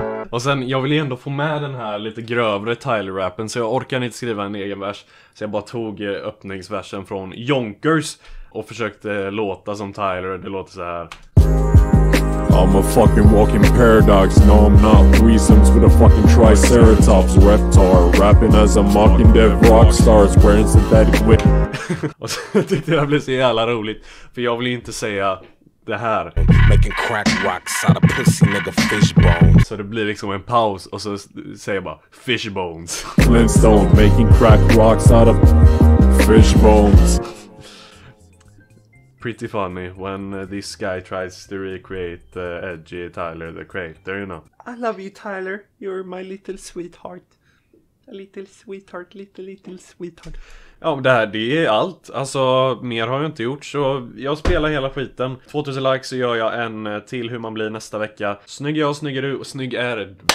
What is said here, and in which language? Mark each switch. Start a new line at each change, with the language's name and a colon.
Swedish: Och sen, jag vill ju ändå få med den här lite grövre Tyler-rappen, så jag orkar inte skriva en egen vers. Så jag bara tog öppningsversen från Yonkers och försökte låta som Tyler. Det låter så här...
English: I'm a fucking walking paradox. No, I'm not threesomes with a fucking triceratops reptar. Rapping as a mocking dead rockstar. Spreading synthetic wit.
Swedish: Och så tyckte jag det blev så jävla roligt, för jag vill inte säga det här.
English: Making crack rocks out of pussy nigga fishbones.
Swedish: Så det blir liksom en paus och så säger jag bara fishbones.
English: Flintstone making crack rocks out of fishbones. Pretty funny when this guy tries to recreate edgy Tyler the Creator, you know. I love you, Tyler. You're my little sweetheart. A little sweetheart, little sweetheart.
Swedish: Ja, det här, det är allt. Alltså, mer har jag inte gjort, så jag spelar hela skiten. 2000 likes så gör jag en till hur man blir nästa vecka. Snygg jag, snygg är du och snygg är...